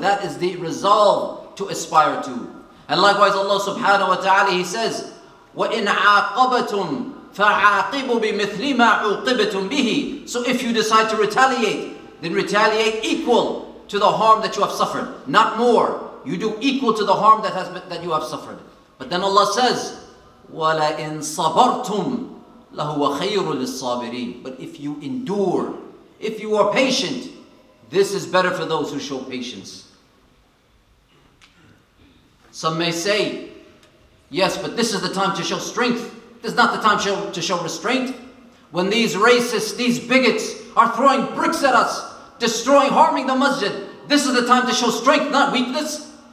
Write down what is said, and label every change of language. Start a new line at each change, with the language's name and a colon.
English: That is the resolve to aspire to. And likewise, Allah subhanahu wa ta'ala, he says,
Arabic: وَإِنْ عَاقَبَتُمْ فَعَاقِبُوا بِمِثْلِ مَا عُوقِبَتُمْ بِهِ.
English: So if you decide to retaliate, then retaliate equal to the harm that you have suffered, not more. You do equal to the harm that you have suffered. But then Allah says,
Arabic: وَلَئِنْ صَبَرْتُمْ لَهُوَ خَيْرٌ لِلصَّابِرِينَ.
English: But if you endure, if you are patient, this is better for those who show patience. Some may say, yes, but this is the time to show strength. This is not the time to show restraint. When these racists, these bigots are throwing bricks at us, destroying, harming the masjid, this is the time to show strength, not weakness.